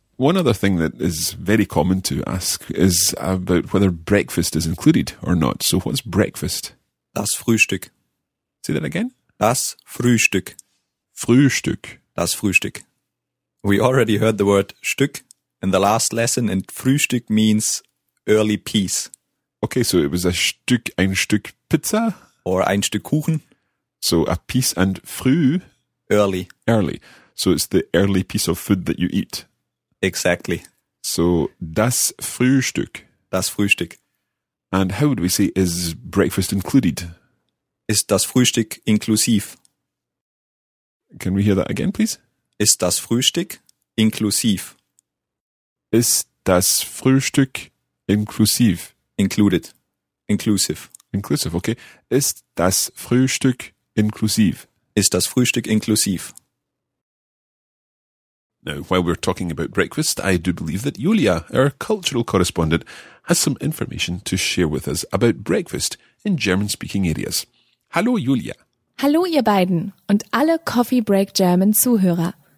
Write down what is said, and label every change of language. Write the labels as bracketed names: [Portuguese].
[English] One other thing that is very common to ask is about whether breakfast is included or not. So what's breakfast? [German] Das Frühstück. [English] Say that again. [German] Das Frühstück. Frühstück. Das Frühstück. [English] We already heard the word Stück in the last lesson, and Frühstück means early peace. Okay, so it was a Stück, [German] ein Stück Pizza? Or ein Stück Kuchen. [English] So a piece and früh. Early. Early. So it's the early piece of food that you eat. Exactly. [German] So, das Frühstück. Das Frühstück. [English] And how would we say, is breakfast included? [German] Ist das Frühstück inklusiv? [English] Can we hear that again, please? [German] Ist das Frühstück inklusiv? Ist das Frühstück inklusiv? [English] Included. Inclusive. Inclusive, okay. [German] Ist das Frühstück inklusiv? Ist das Frühstück inklusiv? [English] Now, while we're talking about breakfast, I do believe that Julia, our cultural correspondent, has some information to share with us about breakfast in German-speaking areas. [German] Hallo, Julia. Hallo, ihr beiden und alle Coffee Break German Zuhörer.